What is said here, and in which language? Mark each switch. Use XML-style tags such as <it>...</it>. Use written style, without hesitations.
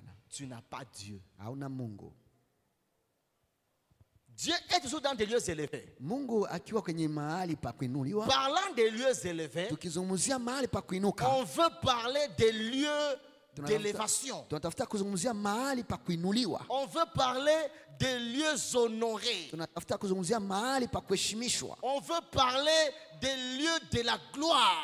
<fr>Tu n'as pas Dieu. Dieu est toujours dans des lieux élevés.</fr> <sw>Mungu akiwa kwenye mahali pa kuinuliwa.</sw> <fr>Parlant des lieux élevés,</fr> <sw>tukizungumzia mahali pa kuinuka.</sw> <fr>On veut parler des lieux d'élévation.</fr> <sw>Tunatafuta kuzungumzia mahali pa kuinuliwa.</sw> <fr>On veut parler des lieux honorés.</fr> <sw>Tunatafuta kuzungumzia mahali pa kuheshimishwa.</sw> <fr>On veut parler des lieux de la gloire.</fr>